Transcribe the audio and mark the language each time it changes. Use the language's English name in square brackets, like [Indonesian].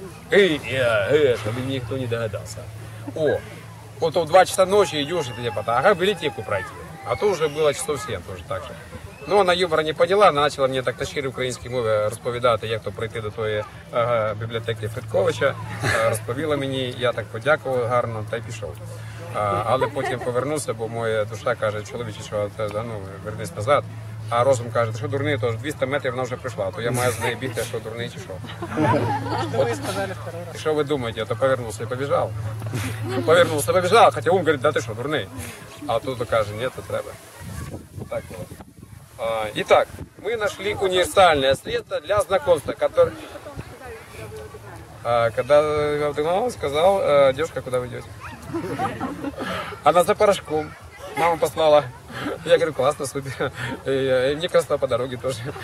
[Russian] Эй, чтобы никто не догадался. О, вот в 2 часа ночи идешь, и ты типа, ага, билетику пройти. А то уже было часов 7, тоже так же. Ну, она юмора не поняла, она начала мне так [Ukrainian] на шире українській мові розповідати, як то прийти до твоєї бібліотеки Федковича. Розповіла мені, я так подякував гарно та й пішов. Але потім повернувся, бо моя душа каже, чоловіче, що ну, вернись назад. А розум каже, що дурний, то 200 метрів вона вже прийшла, то я маю з неї бігти, що дурний чи що. Що ви думаєте, я то повернувся і побіжав. Повернувся, побіжав, хоча ум говорить, да ти що, дурний. А тут каже, ні, то треба. Так було. [Russian] Итак, мы нашли универсальное средство для знакомства, которое... Когда я обдумал, сказал, девушка, куда вы идете? Она за порошком. Мама послала. Я говорю, классно, супер. И мне красота по дороге тоже.